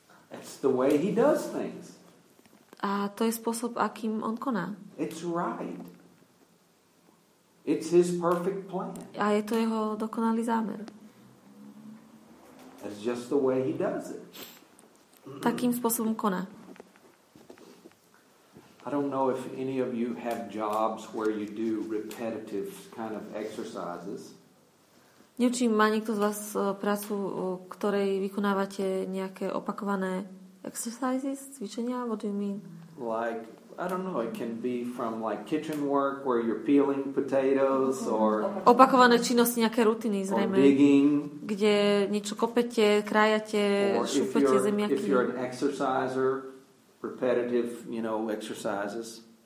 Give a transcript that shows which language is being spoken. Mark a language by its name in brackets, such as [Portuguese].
[English] It's the way he does things. [Slovak] A to je spôsob, akým on koná. [English] It's right. It's his perfect plan. [Slovak] A je to jeho dokonalý zámer. [English] It's just the way he does it. [Slovak] Takým spôsobom koná. [English] I don't know if any of you have jobs where you do repetitive kind of exercises. [Slovak] Neviem, má niekto z vás prácu, ktorej vykonávate nejaké opakované exercises, cvičenia? [English] What do you mean? Like, I don't know, it can be from like kitchen work where you're peeling potatoes or [Slovak] opakované činnosti, nejaké rutiny zrejme. [English] Or digging, [Slovak] kde niečo kopete, krájate, šupete zemiaky. [English] If you're an exerciser, repetitive, you know, exercises.